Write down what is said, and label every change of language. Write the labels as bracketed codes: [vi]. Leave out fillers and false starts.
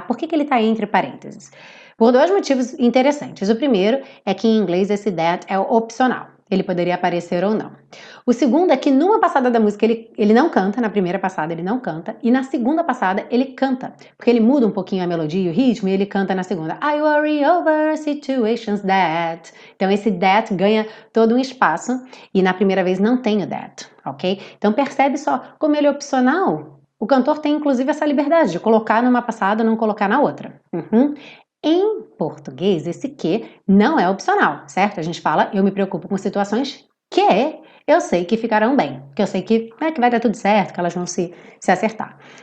[pt] Por que que ele tá entre parênteses? Por dois motivos interessantes. O primeiro é que em inglês esse that é opcional. Ele poderia aparecer ou não. O segundo é que numa passada da música ele não canta, na primeira passada ele não canta, e na segunda passada ele canta, porque ele muda um pouquinho a melodia e o ritmo, e ele canta na segunda. [en] I worry over situations that. [pt] Então esse that ganha todo um espaço, e na primeira vez não tem o that, ok? Então percebe só como ele é opcional. O cantor tem inclusive essa liberdade de colocar numa passada, não colocar na outra. Em português, esse que não é opcional, certo? A gente fala, eu me preocupo com situações que eu sei que ficarão bem, que eu sei que vai dar tudo certo, que elas vão se acertar.